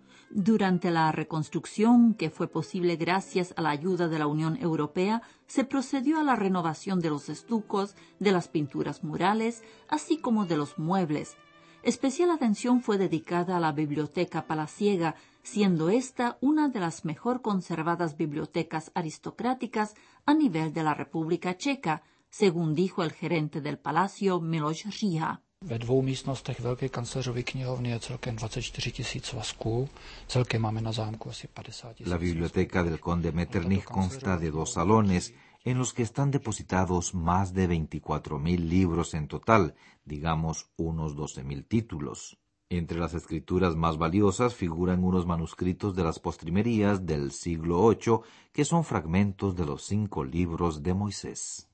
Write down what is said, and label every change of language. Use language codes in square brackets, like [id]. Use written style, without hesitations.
[es] Durante la reconstrucción, que fue posible gracias a la ayuda de la Unión Europea, se procedió a la renovación de los estucos, de las pinturas murales, así como de los muebles. Especial atención fue dedicada a la biblioteca palaciega, siendo esta una de las mejor conservadas bibliotecas aristocráticas a nivel de la República Checa, según dijo el gerente del palacio, Miloš Říha. [cs] Ve dvou místnostech velké kancléřovy knihovny je celkem 24 tisíc svazků, celkem máme na zámku asi 50 tisíc. [es] La biblioteca del conde Metternich consta de dos salones en los que están depositados más de 24.000 libros en total, digamos unos 12.000 títulos. Entre las escrituras más valiosas figuran unos manuscritos de las postrimerías del siglo VIII que son fragmentos de los 5 libros de Moisés.